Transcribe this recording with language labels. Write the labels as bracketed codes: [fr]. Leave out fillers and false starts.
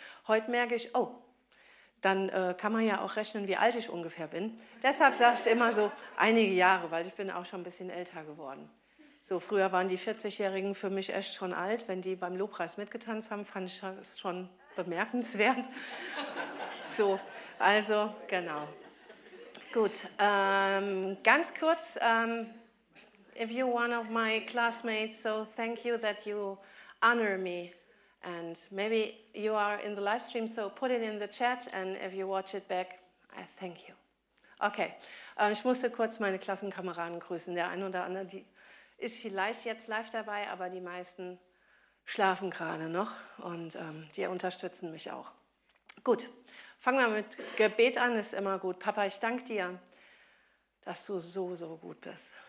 [de] Heute merke ich, oh, dann kann man ja auch rechnen, wie alt ich ungefähr bin. Deshalb sage ich immer so einige Jahre, weil ich bin auch schon ein bisschen älter geworden. So, früher waren die 40-Jährigen für mich echt schon alt. Wenn die beim Lobpreis mitgetanzt haben, fand ich das schon bemerkenswert. So, also genau. Gut, ganz kurz, [en] if you're one of my classmates, so thank you that you honor me. And maybe you are in the live stream, so put it in the chat. And if you watch it back, I thank you. [de] Okay, ich musste kurz meine Klassenkameraden grüßen. Der ein oder andere, die ist vielleicht jetzt live dabei, aber die meisten schlafen gerade noch. Und die unterstützen mich auch. Gut, fangen wir mit Gebet an, ist immer gut. Papa, ich danke dir, dass du so, so gut bist.